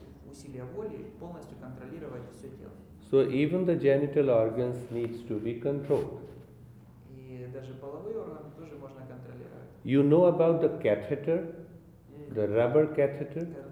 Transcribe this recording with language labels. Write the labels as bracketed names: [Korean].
[Russian] усилия воли полностью контролировать все тело. [English] So even the genital organs needs to be controlled. [Russian] И даже половые органы тоже можно контролировать. [English] You know about the catheter, the rubber catheter?